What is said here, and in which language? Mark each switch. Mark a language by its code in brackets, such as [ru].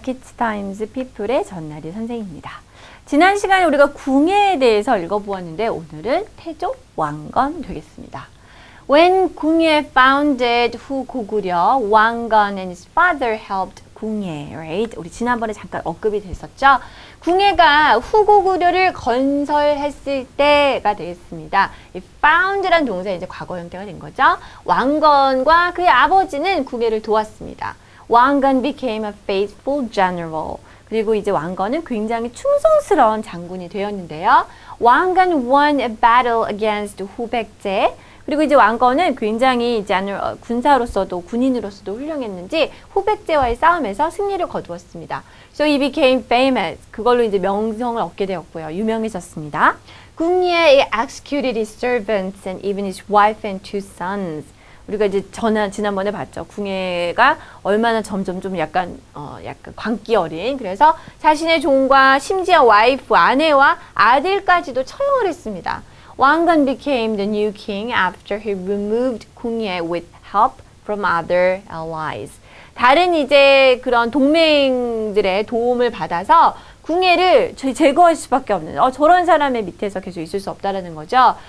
[ko] Kids Times People의 전나리 선생입니다. 지난 시간에 우리가 궁예에 대해서 읽어보았는데 오늘은 태조 왕건 되겠습니다. [en] When 궁예 founded, 후 고구려, 왕건 and his father helped 궁예, right? [ko] 우리 지난번에 잠깐 언급이 됐었죠? 궁예가 후 고구려를 건설했을 때가 되겠습니다. 이 found란 동사 이제 과거 형태가 된 거죠. 왕건과 그의 아버지는 궁예를 도왔습니다. [en] 왕건 became a faithful general. [ko] 그리고 이제 왕건은 굉장히 충성스러운 장군이 되었는데요. [en] 왕건 won a battle against 후백제. [ko] 그리고 이제 왕건은 굉장히 general, 군사로서도 군인으로서도 훌륭했는지 후백제와의 싸움에서 승리를 거두었습니다. [en] So he became famous. [ko] 그걸로 이제 명성을 얻게 되었고요. 유명해졌습니다. [en] 궁예 executed his servants and even his wife and two sons. [ko] 우리가 이제 지난번에 봤죠. 궁예가 얼마나 점점 좀 약간 광기 어린. 그래서 자신의 종과 심지어 와이프, 아내와 아들까지도 처형을 했습니다. [en] 왕건 became the new king after he removed 궁예 with help from other allies. [ko] 다른 이제 그런 동맹들의 도움을 받아서 궁예를 제거할 수밖에 없는, 저런 사람의 밑에서 계속 있을 수 없다라는 거죠.